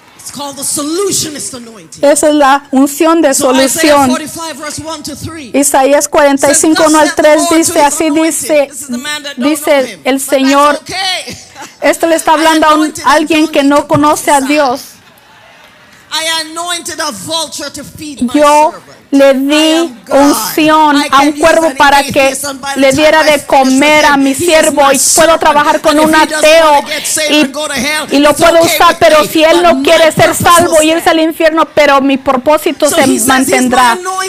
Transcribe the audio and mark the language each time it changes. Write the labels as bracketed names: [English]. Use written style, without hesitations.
[English] It's called the solutionist anointing. [Spanish] Esa es la unción de solución. Isaías 45, 1 al 3 dice, así dice el Señor. Esto le está hablando a alguien que no conoce a Dios. [English] I anointed a vulture to feed my [Spanish] Yo [English] servant. [Spanish] Le di unción a un cuervo para que le diera de comer a mi siervo y puedo trabajar con un ateo y lo puedo usar, pero si él no quiere ser salvo y irse al infierno, pero mi propósito se mantendrá.